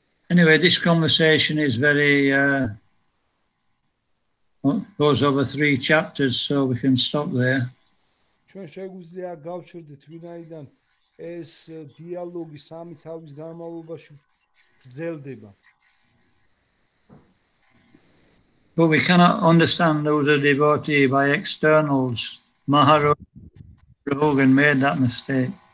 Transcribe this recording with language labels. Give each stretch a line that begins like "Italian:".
English: Anyway, this conversation is very goes over three chapters, so we can stop there.
Georgian: ჩვენ შეგვიძლია გავჩერდეთ ვინაიდან ეს დიალოგი სამი თავის განმავლობაში გრძელდება.
English: But we cannot understand who's a devotee by externals. Maharaj Rogan made that mistake.